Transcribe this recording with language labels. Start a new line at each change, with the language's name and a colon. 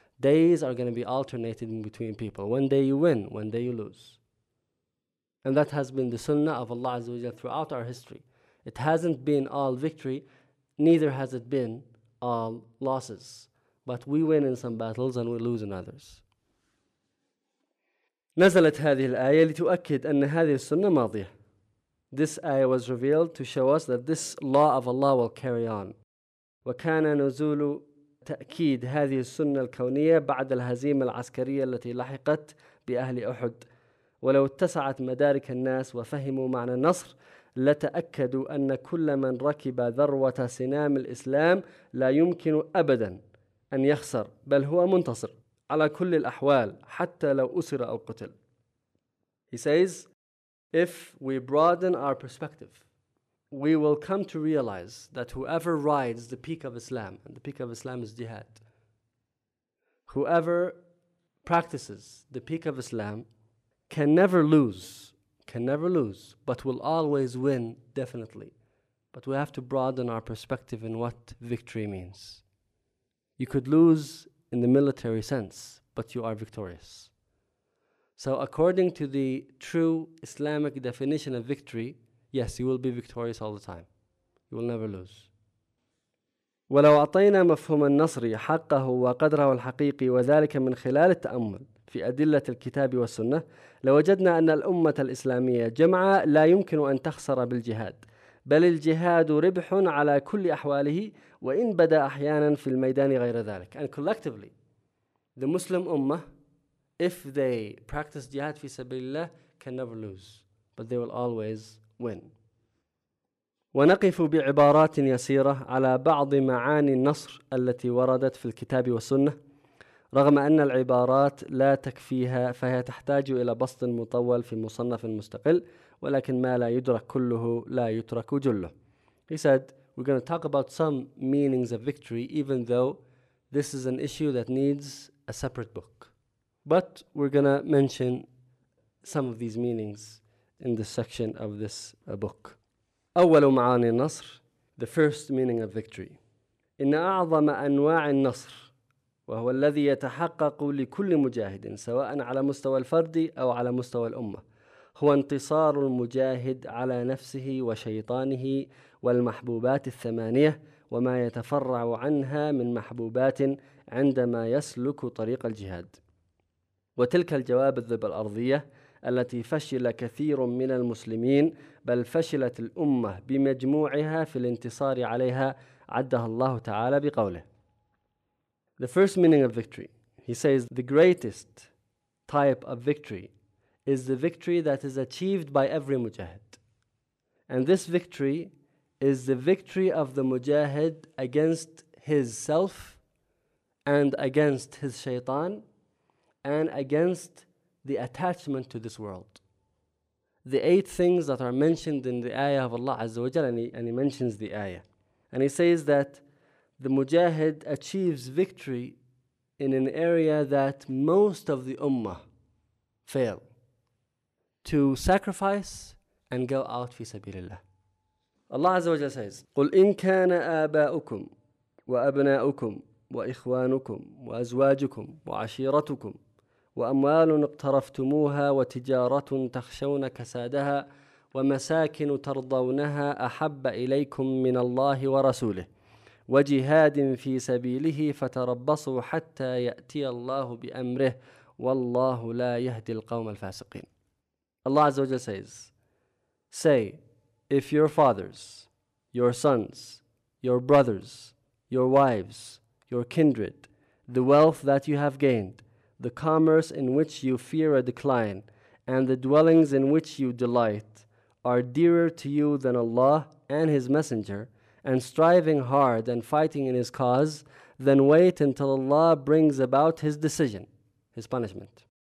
English: Days are going to be alternated in between people. One day you win, one day you lose. And that has been the sunnah of Allah Azza wa Jal throughout our history. It hasn't been all victory, neither has it been all losses. But we win in some battles and we lose in others.
Arabic: نزلت هذه الآية لتؤكد أن هذه السنة ماضية.
English: This ayah was revealed to show us that this law of Allah will carry on.
Arabic: وكان نزول تأكيد هذه السنة الكونية بعد الهزيمة العسكرية التي لحقت بأهل أحد. ولو اتسعت مدارك الناس وفهموا معنى النصر لتأكدوا أن كل من ركب ذروة سنام الإسلام لا يمكن أبدا أن يخسر بل هو منتصر على كل الأحوال حتى لو أسر أو قتل.
English: He says, if we broaden our perspective, we will come to realize that whoever rides the peak of Islam, and the peak of Islam is jihad, whoever practices the peak of Islam can never lose, but will always win, definitely. But we have to broaden our perspective in what victory means. You could lose in the military sense, but you are victorious. So according to the true Islamic definition of victory, yes, you will be victorious all the time. You will never lose.
Arabic: وَلَوْ أَعْطَيْنَا مَفْهُمَ النَّصْرِ حَقَّهُ وَقَدْرَهُ الْحَقِيقِ وَذَلِكَ مِنْ خِلَالِ التَّأَمُّلِ في أدلة الكتاب والسنة لوجدنا أن الأمة الإسلامية جمعاء لا يمكن أن تخسر بالجهاد بل الجهاد ربح على كل أحواله وإن بدأ أحيانا في الميدان غير ذلك.
English: And collectively, the Muslim Ummah, if they practice jihad
Arabic: في سبيل الله,
English: can never lose, but they will always win.
Arabic: ونقف بعبارات يسيرة على بعض معاني النصر التي وردت في الكتاب والسنة رغم أن العبارات لا تكفيها فهي تحتاج إلى بسط مطول في مصنف مستقل ولكن ما لا يدرك كله لا يترك جله.
English: He said, we're going to talk about some meanings of victory even though this is an issue that needs a separate book. But we're going to mention some of these meanings in the section of this book.
Arabic: أول معاني النصر,
English: the first meaning of victory.
Arabic: إن أعظم أنواع النصر وهو الذي يتحقق لكل مجاهد سواء على مستوى الفرد أو على مستوى الأمة هو انتصار المجاهد على نفسه وشيطانه والمحبوبات الثمانية وما يتفرع عنها من محبوبات عندما يسلك طريق الجهاد وتلك الجوابذ الأرضية التي فشل كثير من المسلمين بل فشلت الأمة بمجموعها في الانتصار عليها عدها الله تعالى بقوله.
English: The first meaning of victory, he says, the greatest type of victory is the victory that is achieved by every mujahid. And this victory is the victory of the mujahid against his self and against his shaitan and against the attachment to this world. The eight things that are mentioned in the ayah of Allah Azza wa Jalla, and he mentions the ayah. And he says that the mujahid achieves victory in an area that most of the ummah fail to sacrifice and go out fi sabilillah.
Arabic: Allah Azza wa Jalla says, قُلْ إِنْ كَانَ آبَاؤُكُمْ وَأَبْنَاؤُكُمْ وَإِخْوَانُكُمْ وَأَزْوَاجُكُمْ وَعَشِيرَتُكُمْ وَأَمْوَالٌ اقْتَرَفْتُمُوهَا وَتِجَارَةٌ تَخْشَوْنَ كَسَادَهَا وَمَسَاكِنُ تَرْضَوْنَهَا أَحَبَّ إِلَيْكُمْ مِنَ اللَّهِ وَرَسُولِهِ وجهاد في سبيله فتربصوا حتى يأتي الله بأمره والله لا يهدي القوم الفاسقين.
English: Allah Azza wa Jalla says, say, if your fathers, your sons, your brothers, your wives, your kindred, the wealth that you have gained, the commerce in which you fear a decline, and the dwellings in which you delight, are dearer to you than Allah and His Messenger, and striving hard and fighting in his cause, then wait until Allah brings about his decision, his punishment.